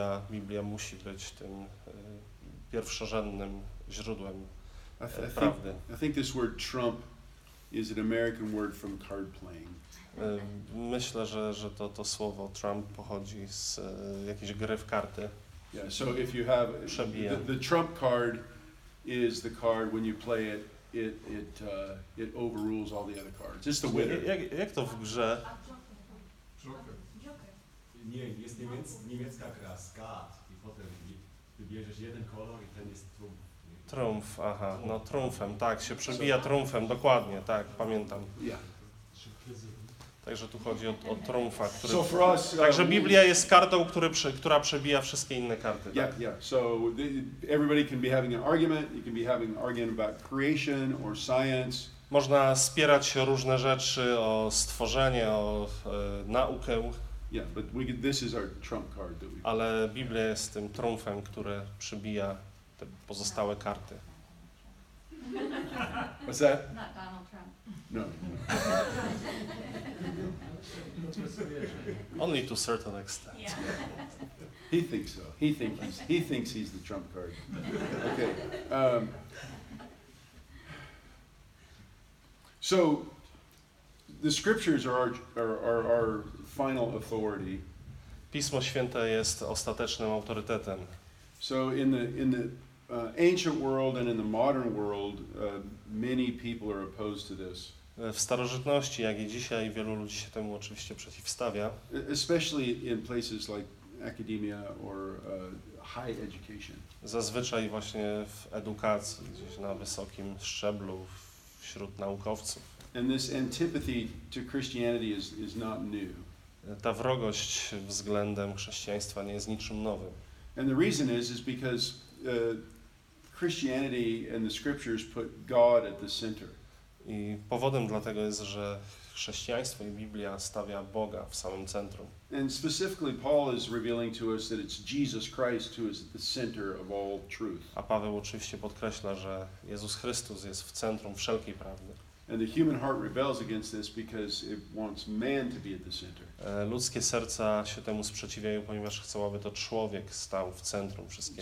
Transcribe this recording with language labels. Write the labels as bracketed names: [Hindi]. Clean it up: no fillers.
[Polish] Biblia musi być tym pierwszorzędnym źródłem prawdy. [English] I think this word trump is an American word from card playing. [Polish] Myślę, że to słowo trump pochodzi z jakiejś gry w karty. [English] Yeah, so if you have the trump card is the card when you play it. It overrules all the other cards. It's the winner. [Polish] Jak to w grze? Joker. Nie, jest niemiecka gra, skat. I potem wybierzesz jeden kolor i ten jest trumf. Trumf, aha. No trumfem, tak. Się przebija trumfem, dokładnie. Tak, pamiętam. [English] Yeah. [Polish] Także tu chodzi o trumfa, który... Także Biblia jest kartą, która przebija wszystkie inne karty. Tak? [English] Yeah, yeah. So everybody can be having an argument. You can be having an argument about creation or science. [Polish] Można spierać się o różne rzeczy, o stworzenie, o naukę. [English] Yeah, but this is our trump card. [Polish] Ale Biblia jest tym trumfem, który przebija te pozostałe karty. [English] What's that? Not Donald Trump. No. Only to a certain extent. Yeah. He thinks so. He thinks he's the trump card. Okay. So the scriptures are our final authority. [Polish] Pismo Święte jest ostatecznym autorytetem. [English] So in the ancient world and in the modern world, many people are opposed to this. [Polish] W starożytności, jak i dzisiaj, wielu ludzi się temu oczywiście przeciwstawia. [English] Especially in places like academia or high education. [Polish] Zazwyczaj właśnie w edukacji, gdzieś na wysokim szczeblu, wśród naukowców. [English] And this antipathy to Christianity is not new. [Polish] Ta wrogość względem chrześcijaństwa nie jest niczym nowym. [English] And the reason is because Christianity and the scriptures put God at the center. [Polish] I powodem dlatego jest, że chrześcijaństwo i Biblia stawia Boga w samym centrum. [English] And specifically Paul is revealing to us that it's Jesus Christ who is at the center of all truth. [Polish] A Paweł oczywiście podkreśla, że Jezus Chrystus jest w centrum wszelkiej prawdy. [English] And the human heart rebels against this because it wants man to be at the center. [Polish] Ludzkie serca się temu sprzeciwiają, ponieważ chcą, aby to człowiek stał w centrum wszystkiego.